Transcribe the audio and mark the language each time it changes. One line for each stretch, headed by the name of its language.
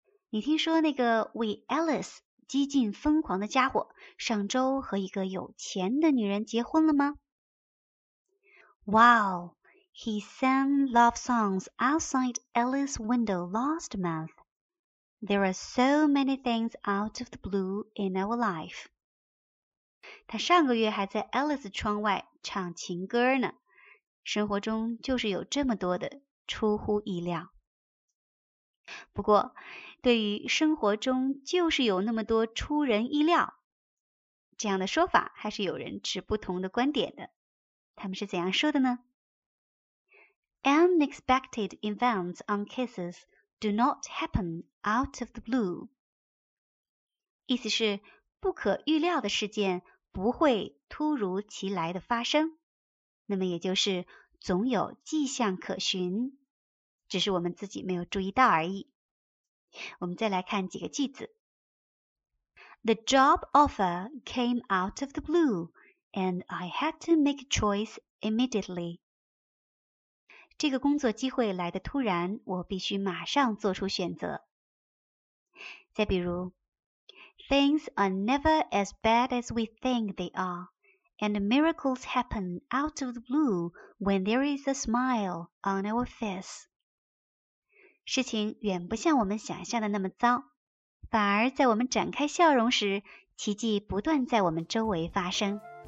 Chinese: 你听说那个 with Alice激进疯狂的家伙上周和一个有钱的女人结婚了吗？
English: Wow, he sang love songs outside Alice's window last month. There are so many things out of the blue in our life.
Chinese: 他上个月还在 Alice 窗外唱情歌呢，生活中就是有这么多的出乎意料。不过，对于生活中就是有那么多出人意料，这样的说法还是有人持不同的观点的。他们是怎样说的呢？
English: Unexpected events on cases do not happen out of the blue.
Chinese: 意思是不可预料的事件不会突如其来的发生，那么也就是总有迹象可循，只是我们自己没有注意到而已。我们再来看几个句子。
English: The job offer came out of the blue, and I had to make a choice immediately.
Chinese: 这个工作机会来得突然，我必须马上做出选择。再比如
English: ,Things are never as bad as we think they are, and miracles happen out of the blue when there is a smile on our face.
Chinese: 事情远不像我们想象的那么糟，反而在我们展开笑容时，奇迹不断在我们周围发生。